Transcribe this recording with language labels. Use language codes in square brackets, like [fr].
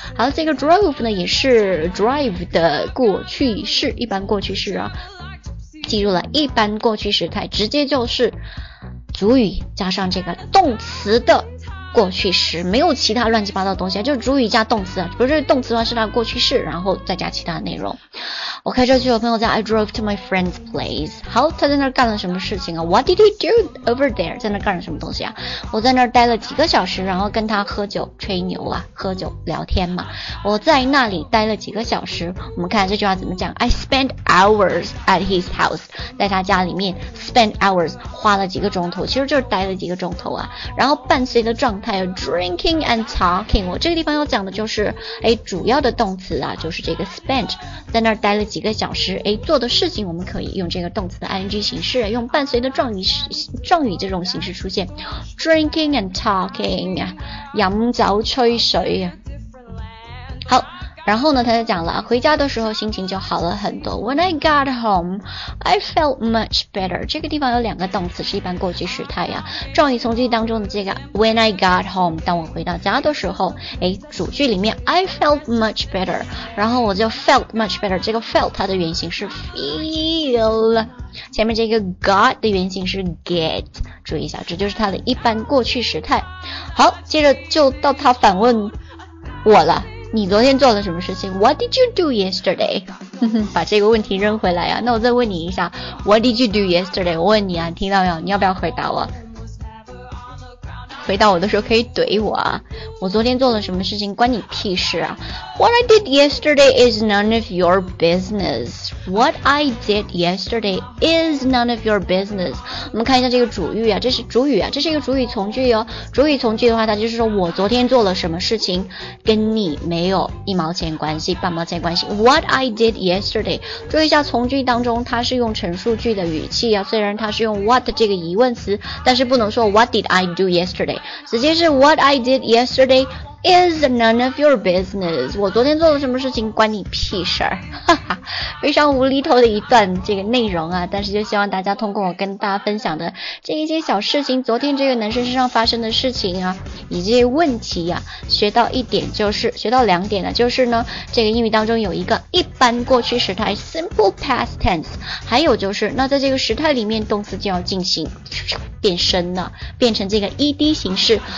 [zh] 好，这个 drove 呢也是 drive 的过去式，一般过去式啊，记住了，一般过去时态直接就是主语加上这个动词的过去时，没有其他乱七八糟的东西，就是主语加动词，不是动词的话是它的过去式，然后再加其他的内容。我开车去我朋友家， [en] I drove to my friend's place。 [zh] 好，他在那儿干了什么事情啊？ [en] What did he do over there？ [zh] 在那儿干了什么东西啊？我在那儿待了几个小时，然后跟他喝酒吹牛啊，喝酒聊天嘛。我在那里待了几个小时，我们看这句话怎么讲。 [en] I spent hours at his house， [zh] 在他家里面 spend hours， 花了几个钟头，其实就是待了几个钟头啊。然后伴随的状态 [en] drinking and talking， [zh] 我这个地方要讲的就是主要的动词啊，就是这个 spent， 在那儿待了几个小时，做的事情我们可以用这个动词的 ing 形式，用伴随的状语这种形式出现。 [en] drinking and talking， [zh] 饮酒吹水。好，然后呢，他就讲了，回家的时候心情就好了很多。 [en] When I got home, I felt much better. [zh] 这个地方有两个动词，是一般过去时态呀。状语从句当中的这个 [en] When I got home, [zh] 当我回到家的时候，哎，主句里面 [en] I felt much better, [zh] 然后我就 [en] felt much better. [zh] 这个 felt 它的原型是 feel, 前面这个 got 的原型是 get。注意一下，这就是它的一般过去时态。好，接着就到他反问我了。你昨天做了什么事情 ? [en] What did you do yesterday? [zh] 把这个问题扔回来啊。那我再问你一下 , [en] What did you do yesterday? [zh] 我问你啊，听到没有，你要不要回答我，回答我的时候可以怼我啊。我昨天做了什么事情关你屁事啊。 [en] What I did yesterday is none of your business. What I did yesterday is none of your business. [zh] 我们看一下这个主语啊，这是主语啊，这是一个主语从句哦。主语从句的话，它就是说我昨天做了什么事情跟你没有一毛钱关系，半毛钱关系。 [en] What I did yesterday. [zh] 注意一下从句当中它是用陈述句的语气啊，虽然它是用 what 这个疑问词，但是不能说 [en] what did I do yesterday. [zh] 直接是 [en] what I did yesterday. Is none of your business. [zh] 我昨天做了什么事情关你屁事儿，哈哈，非常无厘头的一段这个内容啊，但是就希望大家通过我跟大家分享的这一些小事情，昨天这个男生身上发生的事情啊，以及问题啊，学到一点，就是学到两点呢，就是呢这个英语当中有一个一般过去时态 [en] simple past tense, [zh] 还有就是那在这个时态里面动词就要进行变身了，变成这个 ed 形式。